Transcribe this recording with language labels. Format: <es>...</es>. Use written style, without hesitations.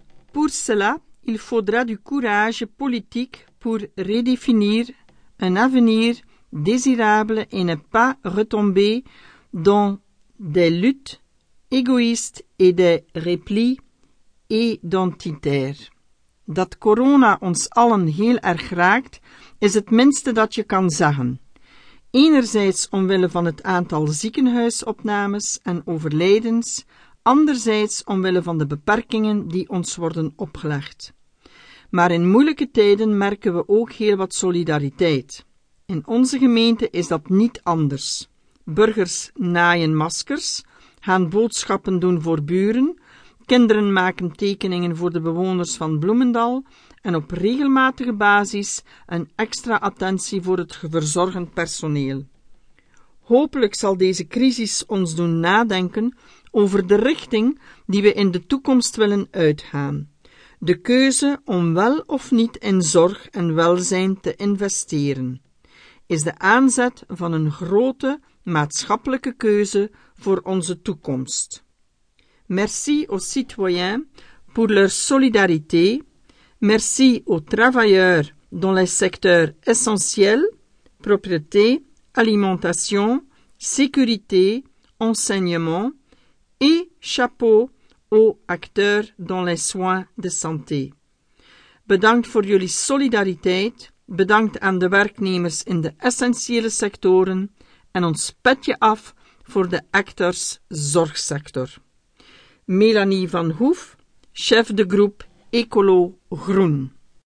<fr>Pour cela, il faudra du courage politique pour redéfinir un avenir désirable et ne pas retomber dans des luttes égoïstes et des replis identitaires.</fr> <nl>Dat corona ons allen heel erg raakt, is het minste dat je kan zeggen. Enerzijds omwille van het aantal ziekenhuisopnames en overlijdens, anderzijds omwille van de beperkingen die ons worden opgelegd. Maar in moeilijke tijden merken we ook heel wat solidariteit. In onze gemeente is dat niet anders. Burgers naaien maskers, gaan boodschappen doen voor buren, kinderen maken tekeningen voor de bewoners van Bloemendal en op regelmatige basis een extra attentie voor het verzorgend personeel. Hopelijk zal deze crisis ons doen nadenken over de richting die we in de toekomst willen uitgaan. De keuze om wel of niet in zorg en welzijn te investeren is de aanzet van een grote maatschappelijke keuze voor onze toekomst.</nl> <fr>Merci aux citoyens pour leur solidarité. Merci aux travailleurs dans les secteurs essentiels, propreté, alimentation, sécurité, enseignement et chapeau aux acteurs dans les soins de santé.</fr> <nl>Bedankt voor jullie solidariteit, bedankt aan de werknemers in de essentiële sectoren en ons petje af voor de acteurs zorgsector. Melanie van Hoef, chef de groep Ecolo Groen.</nl>